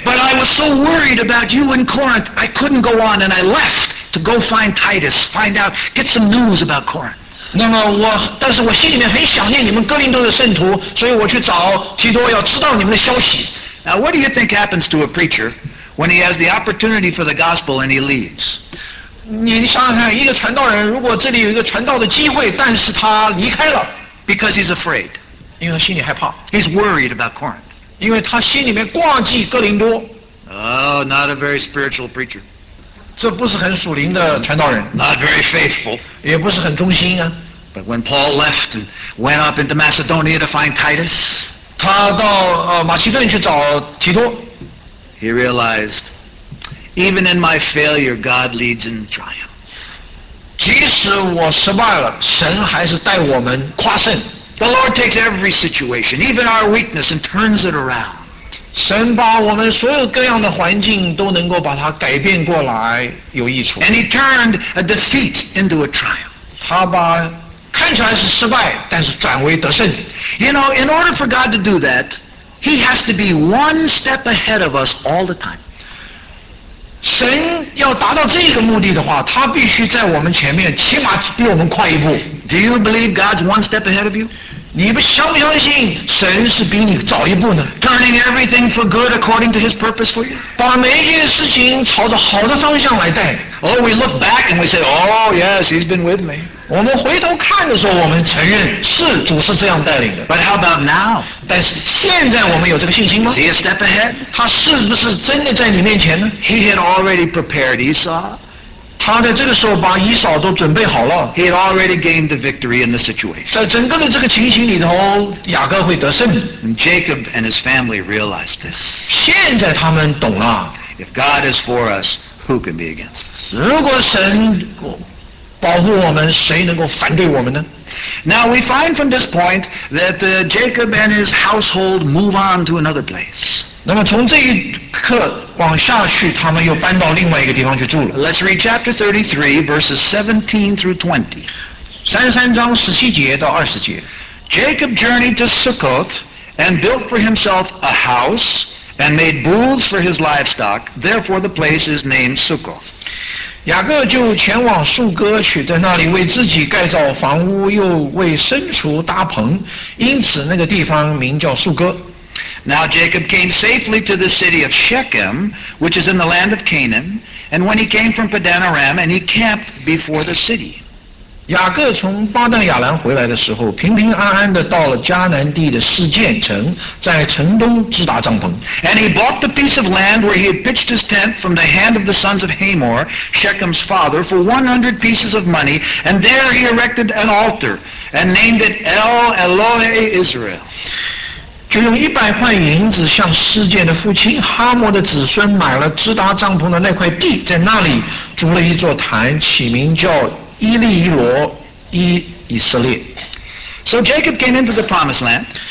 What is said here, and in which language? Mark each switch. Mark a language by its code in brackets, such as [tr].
[en] But I was so worried about you in Corinth, I couldn't go on, and I left to go find Titus, find out, get some news about Corinth. [zh] 那么我，但是我心里面很想念你们哥林多的圣徒，所以我去找提多，要知道你们的消息。 [en] Now, what do you think happens to a preacher? When he has the opportunity for the gospel and he leaves. [zh] 你想想看，一个传道人如果这里有一个传道的机会，但是他离开了。 [en] Because he's afraid. [zh] 因为他心里害怕。 [en] He's worried about Corinth. [zh] 因为他心里面挂记哥林多。 [en] Oh, not a very spiritual preacher. [zh] 这不是很属灵的传道人。 [en] Not very faithful. [zh] 也不是很忠心啊。 [en] But when Paul left and went up into Macedonia to find Titus. [zh] 他到马其顿去找提多。 [en] He realized, even in my failure, God leads in triumph. [zh] 即使我失败了，神还是带我们跨胜。 [en] The Lord takes every situation, even our weakness, and turns it around. [zh] 神把我们所有各样的环境都能够把它改变过来，有益处。 [en] And He turned a defeat into a triumph. [zh] 他把看起来是失败，但是转为得胜。 [en] You know, in order for God to do that, He has to be one step ahead of us all the time. [zh] 神要达到这个目的的话，他必须在我们前面，起码比我们快一步。 [en] Do you believe God's one step ahead of you? [zh] 你不相不相信神是比你早一步呢？ [en] Turning everything for good according to His purpose for you? [zh] 把每一件事情朝着好的方向来带。 [en] Oh, we look back and we say, oh yes, He's been with me. [zh] 我们回头看的时候，我们承认是主是这样带领的。 [en] But how about now? [zh] 但是现在我们有这个信心吗？ [en] Is He a step ahead? [zh] 他是不是真的在你面前呢？ [en] He had already prepared Esau. [zh] 他在这个时候把以扫都准备好了。 [en] He had already gained the victory in the situation. [zh] 在整个的这个情形里头，雅各会得胜。 [en] And Jacob and his family realized this. [zh] 现在他们懂了。 [en] If God is for us, who can be against us? [zh] 如果神保护我们，谁能够反对我们呢？ [en] Now we find from this point that Jacob and his household move on to another place. [zh] 那么从这一刻往下去，他们又搬到另外一个地方去住了。 [en] Let's read chapter 33, verses 17 through 20. [zh] 33章17节到20节。 [en] Jacob journeyed to Sukkoth and built for himself a house and made booths for his livestock. Therefore the place is named Sukkoth. [zh] 雅各就前往素哥去，在那里为自己盖造房屋，又为牲畜搭棚，因此那个地方名叫素哥。 [en] Now Jacob came safely to the city of Shechem, which is in the land of Canaan, and when he came from Padan Aram, and he camped before the city. [zh] 雅各从巴旦亚兰回来的时候，平平安安地到了迦南地的示剑城，在城东支搭帐篷。 [en] And he bought the piece of land where he had pitched his tent from the hand of the sons of Hamor, Shechem's father, for 100 pieces of money, and there he erected an altar, and named it El Elohe Israel. [zh] 就用100块银子向示剑的父亲哈摩的子孙买了支搭帐篷的那块地，在那里筑了一座坛，起名叫伊利伊罗伊以色列。 [en] So Jacob came into the promised land.